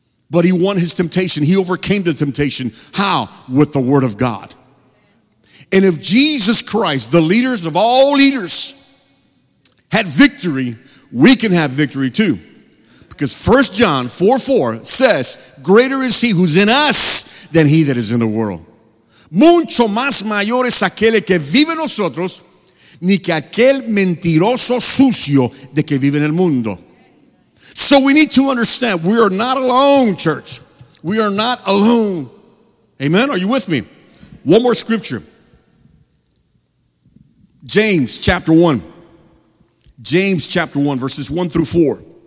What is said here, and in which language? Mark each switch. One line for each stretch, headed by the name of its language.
English: But he won his temptation. He overcame the temptation. How? With the word of God. And if Jesus Christ, the leaders of all leaders, had victory, we can have victory too. Because 1 John 4:4 says, greater is he who's in us than he that is in the world.
Spanish: Mucho más mayor es aquel que vive en nosotros ni que aquel mentiroso sucio de que vive en el mundo.
English: So we need to understand, we are not alone, church. We are not alone. Amen? Are you with me? One more scripture. James chapter 1. James chapter 1, verses 1 through 4.